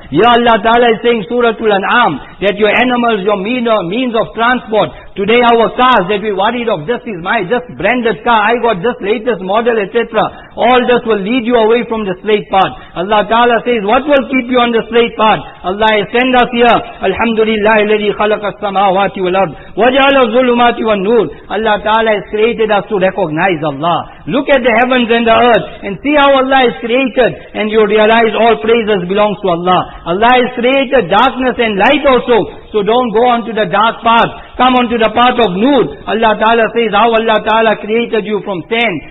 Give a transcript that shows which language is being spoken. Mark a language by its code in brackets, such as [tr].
[en] Here Allah Ta'ala is saying Suratul An'am, that your animals, your means of transport, today our cars, that we worried of this is my, just branded car, I got this latest model, etc. All this will lead you away from the straight path. Allah Ta'ala says, what will keep you on the straight path? Allah has sent us here, Alhamdulillah, [ar] الَّذِي خَلَقَ السَّمَاوَاتِ وَالْأَرْضِ وَجَعَلَ الظُّلُمَاتِ وَالنُّورِ. [en] Allah Ta'ala has created us to recognize Allah. Look at the heavens and the earth and see how Allah is created, and you realize all praises belongs to Allah. Allah has created darkness and light also. So don't go on to the dark path. Come on to the path of Nur. Allah Ta'ala says how Allah Ta'ala created you from sand.